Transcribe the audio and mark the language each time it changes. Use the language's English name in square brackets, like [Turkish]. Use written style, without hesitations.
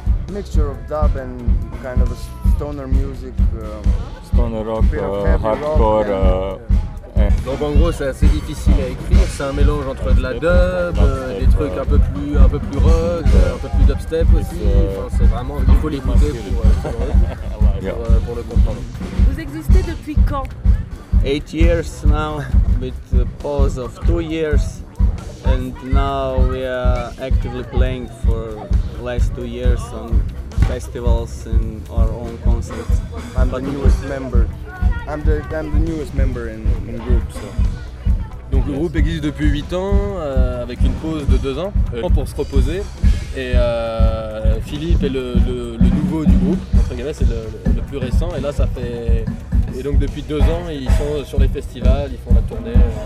[English] Mixture of dub and kind of a stoner music, stoner rock, hardcore. Rock [French] Donc en gros c'est assez difficile à écrire. C'est un mélange entre de la dub, des trucs un peu plus rock, un peu plus dubstep aussi. Enfin, c'est vraiment, il faut l'écouter pour le comprendre. Vous existez depuis quand? [English] 8 years now, with a pause of 2 years, and now we are actively playing for last 2 years on festivals and our own concerts. I'm the newest member in the group. So. [French] Donc le groupe existe depuis 8 ans, avec une pause de 2 ans pour se reposer. Et Philippe est le nouveau du groupe, entre guillemets, c'est le plus récent. Et là, ça fait. Et donc depuis 2 ans, ils sont sur les festivals, ils font la tournée.